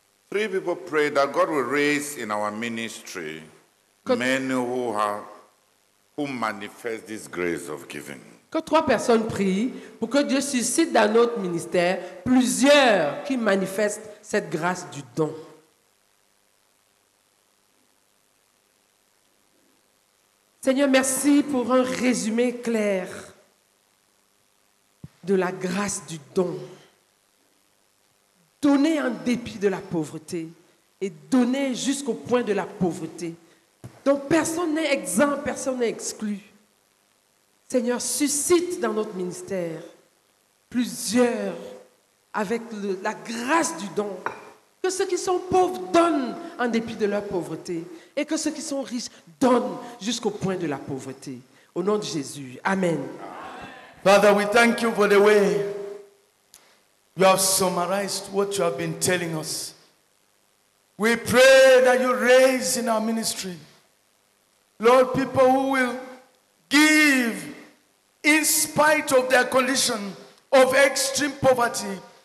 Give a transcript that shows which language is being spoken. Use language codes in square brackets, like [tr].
[en] Three people pray that God will raise in our ministry men who manifest this grace of giving. [fr] Que trois personnes prient pour que Dieu suscite dans notre ministère plusieurs qui manifestent cette grâce du don. Seigneur, merci pour un résumé clair de la grâce du don. Donner en dépit de la pauvreté et donner jusqu'au point de la pauvreté. Donc personne n'est exempt, personne n'est exclu. Seigneur, suscite dans notre ministère plusieurs avec la grâce du don. Que ceux qui sont pauvres donnent en dépit de leur pauvreté. Et que ceux qui sont riches donnent jusqu'au point de la pauvreté. Au nom de Jésus. Amen. [en] Father, we thank you for the way you have summarized what you have been telling us. We pray that you raise in our ministry, Lord, people who will give in spite of their condition of extreme poverty.